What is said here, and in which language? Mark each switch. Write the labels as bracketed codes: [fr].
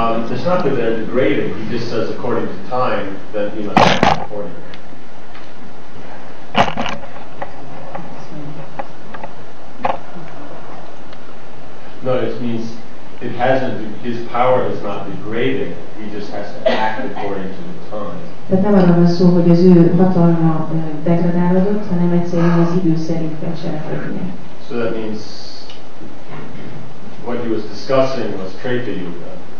[en] it's not that they're degraded, he just says according to time that he must act accordingly. No, it means it hasn't, his power is not degraded, he just has to act according to the time. [hu] Tehát nem arra van szó, hogy az ő hatalma degradálódott, hanem egyszerűen az idő szerint kell cselekednie. [en] So that means what he was discussing was Treta Yuga.